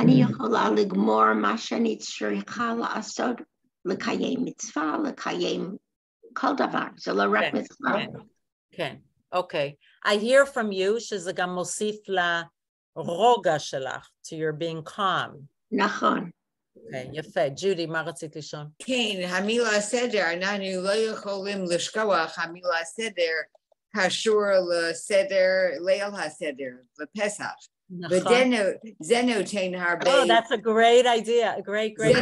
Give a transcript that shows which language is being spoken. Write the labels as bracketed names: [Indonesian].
[Hebrew] אני יכולה לגמור מה שאני צריכה לעשות, לקיים מצווה, לקיים כל דבר. זה לא רק מצווה. כן, אוקיי. [English] I hear from you [Hebrew] שזה גם מוסיף לרוגע שלך, [English] to your being calm. [Hebrew] נכון. אוקיי, יפה. ג'ודי, מה רצית לשאול? כן, המילה סדר, אנחנו לא יכולים לשכוח המילה סדר, קשור לסדר, ליל הסדר, לפסח. נכון. וזה נותן הרבה... [English] Oh, that's a great idea. Great.